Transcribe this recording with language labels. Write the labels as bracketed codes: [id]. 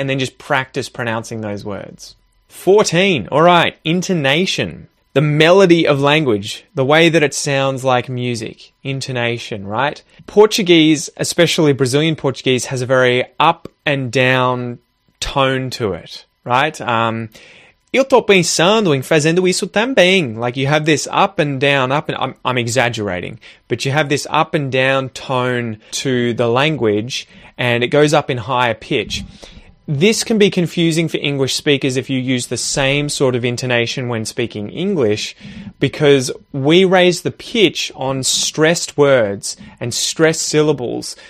[en] And then just practice pronouncing those words. 14, all right, intonation. The melody of language, the way that it sounds like music, intonation, right? Portuguese, especially Brazilian Portuguese, has a very up and down tone to it, right? [pt] Eu estou pensando em fazendo isso também. [en] Like you have this up and down, up and I'm exaggerating, but you have this up and down tone to the language and it goes up in higher pitch. This can be confusing for English speakers if you use the same sort of intonation when speaking English, because we raise the pitch on stressed words and stressed syllables.